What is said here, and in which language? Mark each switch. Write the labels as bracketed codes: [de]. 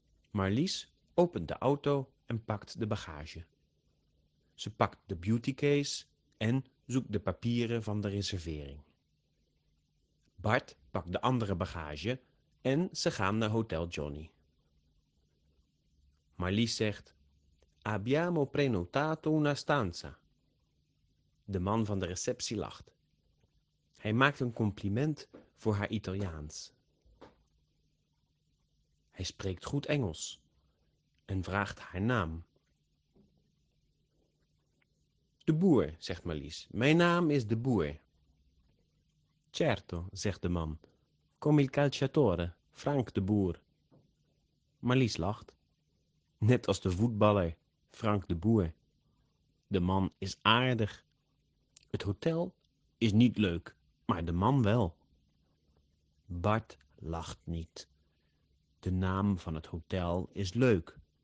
[nl] Marlies opent de auto en pakt de bagage. Ze pakt de beautycase en zoekt de papieren van de reservering. Bart pakt de andere bagage en ze gaan naar Hotel Johnny. Marlies zegt: [it] Abbiamo prenotato una stanza. [nl] De man van de receptie lacht. Hij maakt een compliment voor haar Italiaans. Hij spreekt goed Engels en vraagt haar naam. De boer, zegt Marlies. Mijn naam is de boer. Certo, zegt de man. [it] Come il calciatore, Frank de boer. [nl] Marlies lacht. Net als de voetballer, Frank de boer. De man is aardig. Het hotel is niet leuk, maar de man wel. Bart lacht niet. De naam van het hotel is leuk.